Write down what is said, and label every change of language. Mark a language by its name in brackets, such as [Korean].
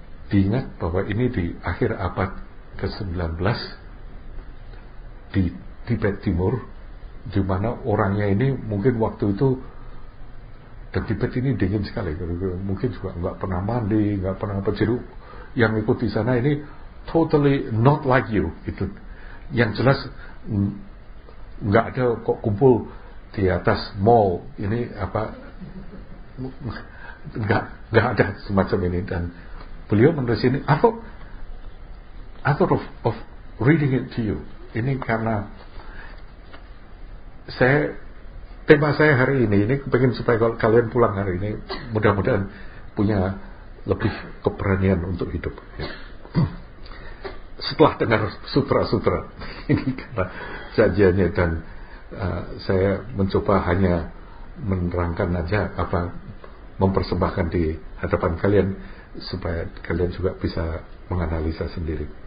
[Indonesian] Diingat bahwa ini di akhir abad ke-19 di Tibet Timur, di mana orangnya ini mungkin waktu itu, dan Tibet ini dingin sekali, mungkin juga enggak pernah mandi, enggak pernah apa, jadi yang ikut di sana ini [English] totally not like you, [Indonesian] itu yang jelas enggak ada kok kumpul di atas mall ini apa, nggak ada semacam ini. Dan beliau menulis ini, [English] I thought of reading it to you. [Indonesian] Ini karena saya, tema saya hari ini pengen supaya kalian pulang hari ini mudah-mudahan punya lebih keberanian untuk hidup ya. Setelah dengar sutra-sutra ini karena sajiannya, dan saya mencoba hanya menerangkan aja apa, mempersembahkan di hadapan kalian supaya kalian juga bisa menganalisa sendiri.